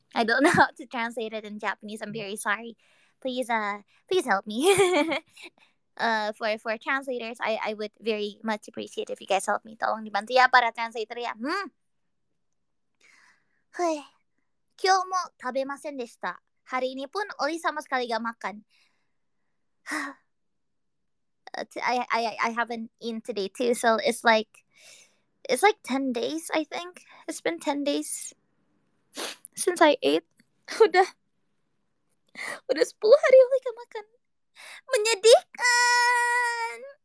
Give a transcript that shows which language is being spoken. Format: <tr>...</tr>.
<en>I don't know how to translate it in Japanese. I'm very sorry. Please help me. for translators, I would very much appreciate if you guys help me.</en> <id>Tolong dibantu ya para translator ya. Hei.</id> <ja>今日も食べませんでした。</ja> <id>hari ini pun Oli sama sekali gak makan.</id> <en>I haven't eaten today too, so it's like... It's like 10 days, I think. It's been 10 days since I ate.</en> <id>Udah 10 hari lagi gak makan. Menyedihkan!</id>